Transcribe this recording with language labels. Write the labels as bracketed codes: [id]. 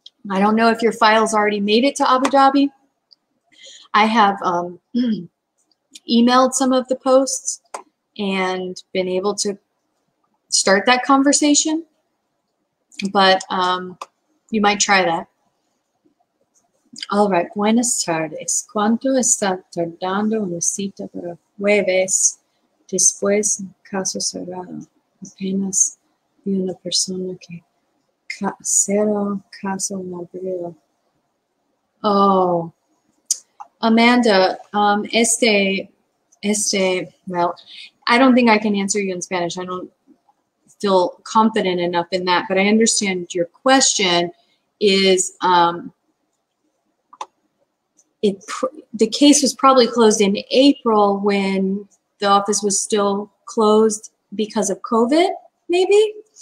[en] I don't know if your files already made it to Abu Dhabi. I have emailed some of the posts and been able to start that conversation, but you might try that. [es] All right, buenas tardes. ¿Cuánto está tardando una cita para jueves después de caso cerrado? Apenas vi una persona que cerró caso en abril. [en] Oh, Amanda, well, I don't think I can answer you in Spanish. I don't feel confident enough in that, but I understand your question is, the case was probably closed in April when the office was still closed because of COVID, maybe?